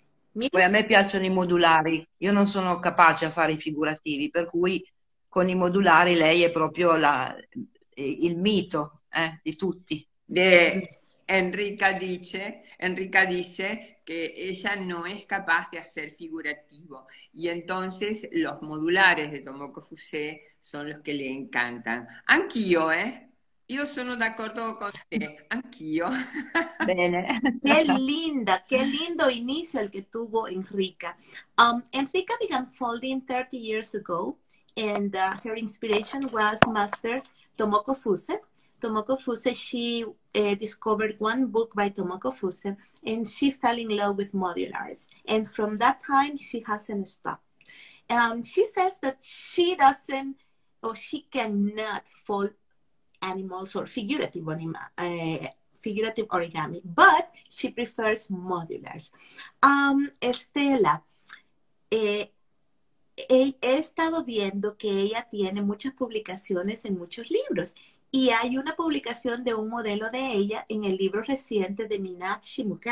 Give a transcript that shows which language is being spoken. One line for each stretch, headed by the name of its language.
Italian: Poi a me piacciono i modulari, io non sono capace a fare i figurativi, per cui con i modulari lei è proprio il mito, di tutti.
Spanish: Enrica dice que ella no es capaz de hacer figurativo y entonces los modulares de Tomoko Fuse son los que le encantan.
Italian: Anch'io, Io sono d'accordo con te, anch'io. Bene.
Spanish: Qué linda, qué lindo inicio el que tuvo Enrica.
English: Enrica began folding 30 years ago and her inspiration was Master Tomoko Fuse. Tomoko Fuse, she discovered one book by Tomoko Fuse and she fell in love with modulars. And from that time, she hasn't stopped. She says that she doesn't or she cannot fold animals or figurative origami, but she prefers modulars.
Spanish: Estela, he estado viendo que ella tiene muchas publicaciones en muchos libros. Y hay una publicación de un modelo de ella en el libro reciente de Meenakshi.